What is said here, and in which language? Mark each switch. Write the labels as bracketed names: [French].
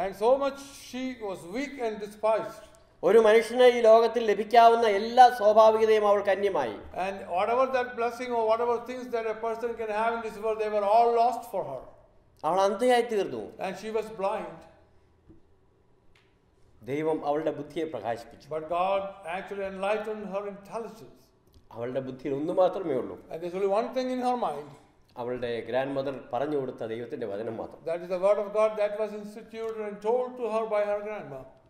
[English] And so much she was weak and despised. [Malayalam] ഒരു മനുഷ്യനെ ഈ ലോകത്തിൽ ലഭിക്കാവുന്ന എല്ലാ സ്വാഭാവികതയും അവൾക്ക് അന്യമായി. [English] And whatever that blessing or whatever things that a person can have in this world, they were all lost for her. [Malayalam] അവൾ അന്ധയായി തീർന്നു. [English] And she was blind. [Malayalam] ദൈവം അവളുടെ ബുദ്ധിയെ പ്രകാശിപ്പിച്ചു. [English] But God actually enlightened her intelligence. [Malayalam] അവളുടെ ബുദ്ധിയിൽ ഒന്ന് മാത്രമേ ഉള്ളൂ. [English] And there's only one thing in her mind. [Malayalam] അവളുടെ ഗ്രാൻഡ് മദർ പറഞ്ഞു കൊടുത്ത ദൈവത്തിന്റെ വചനം മാത്രം. [English] That is the word of God that was instituted and told to her by her grandma.